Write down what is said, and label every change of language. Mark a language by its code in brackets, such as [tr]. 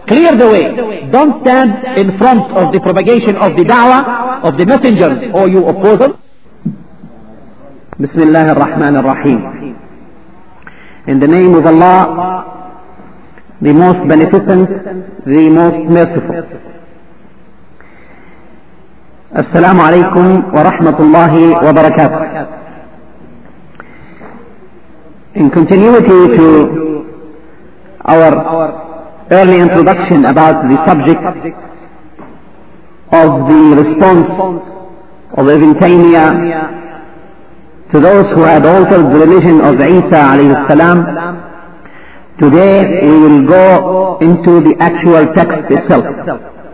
[en] Clear the way. Don't stand in front of the propagation of the da'wah of the messengers or you oppose them. [ar] Bismillah ar-Rahman ar-Rahim. [en] In the name of Allah, the most beneficent, the most merciful. [ar] السلام عليكم ورحمة الله وبركاته. [en] In continuity to our early introduction about the subject of the response of Ibn Taymiyyah to those who had altered the religion of Isa alayhi salam, today we will go into the actual text itself.